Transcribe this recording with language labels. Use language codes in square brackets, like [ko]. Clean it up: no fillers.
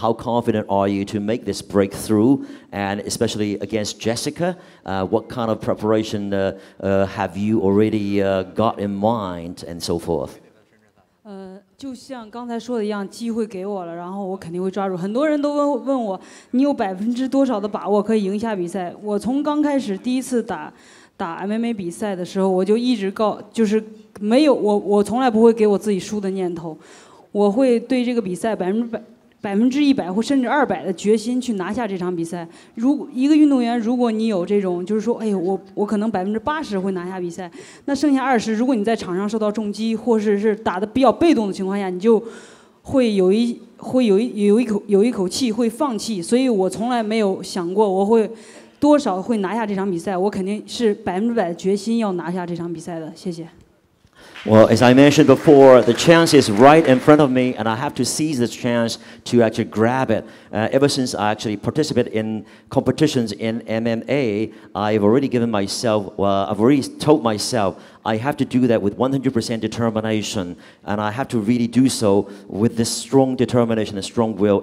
[en] How confident are you to make this breakthrough? And especially against Jessica, what kind of preparation have you already got in mind and so forth? [zh] 就像刚才说的一样，机会给我了，然后我肯定会抓住。很多人都问我，你有20%的把握可以赢下比赛？我从刚开始第一次打 MMA 比赛的时候，我就一直告，就是没有我从来不会给我自己输的念头，我会对这个比赛100%或甚至200%的决心去拿下这场比赛。如果一个运动员，如果你有这种，就是说，哎呦，我可能80%会拿下比赛，那剩下20%，如果你在场上受到重击，或者是打得比较被动的情况下，你就会有一口气会放弃。所以我从来没有想过我会多少会拿下这场比赛，我肯定是100%决心要拿下这场比赛的。谢谢。 [en] Well, as I mentioned before, the chance is right in front of me, and I have to seize this chance to actually grab it. Ever since I actually participate in competitions in MMA, I've already told myself, I have to do that with 100% determination, and I have to really do so with this strong determination and strong will.